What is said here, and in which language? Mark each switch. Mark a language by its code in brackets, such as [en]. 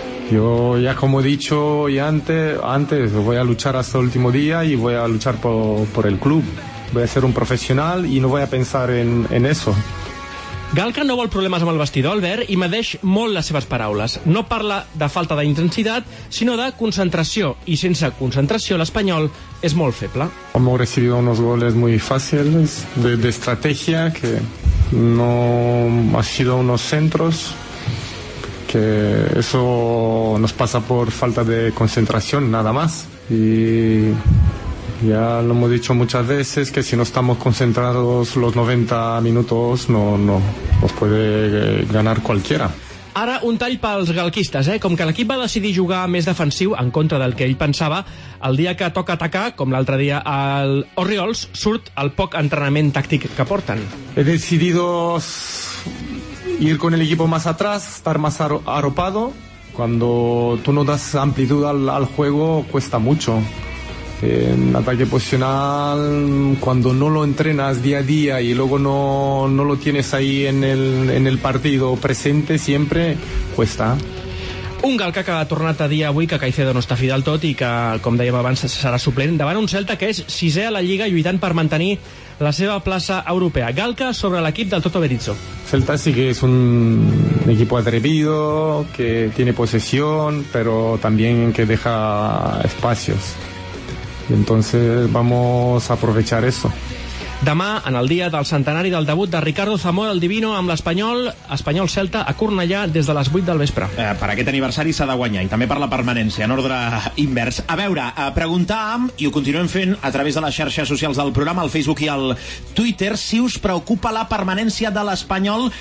[es] Yo ya, como he dicho y antes, voy a luchar hasta el último día y voy a luchar por el club. Voy a ser un profesional y no voy a pensar en eso. [ca] Galca no vol problemes amb el vestidor, Albert, i medeix molt les seves paraules. No parla de falta d'intensitat, sinó de concentració. I sense concentració, l'Espanyol és molt feble. [es] Hemos recibido unos goles muy fáciles, de estrategia, que no ha sido unos centros, que eso nos pasa por falta de concentración, nada más. Y ya lo hemos dicho muchas veces, que si no estamos concentrados los 90 minutos, no os puede ganar cualquiera. [ca] Ara, un tall pels galquistes, eh? Com que l'equip va decidir jugar més defensiu en contra del que ell pensava, el dia que toca atacar, com l'altre dia al Orioles, surt el poc entrenament tàctic que porten. [es] He decidido ir con el equipo más atrás, estar más arropado. Cuando tú no das amplitud al juego, cuesta mucho. En ataque posicional, cuando no lo entrenas día a día y luego no lo tienes ahí en el partido presente siempre, cuesta. [ca] Un Galca que ha tornat a dir avui que Caicedo no està fi del tot i que, com dèiem abans, serà suplent davant un Celta que és sisè a la Lliga lluitant per mantenir la seva plaça europea. Galca sobre l'equip del Toto Berizzo. [es] Celta sí que es un equipo atrevido, que tiene posesión, pero también que deja espacios. Y entonces vamos a aprovechar eso. [ca] Demà, en el dia del centenari del debut de Ricardo Zamora el Divino amb l'Espanyol, Espanyol Celta a Cornellà des de les 8 del vespre. Per aquest aniversari s'ha de guanyar, i també per la permanència, en ordre invers. A veure, preguntàvem, i ho continuem fent a través de les xarxes socials del programa, al Facebook i al Twitter, si us preocupa la permanència de l'Espanyol.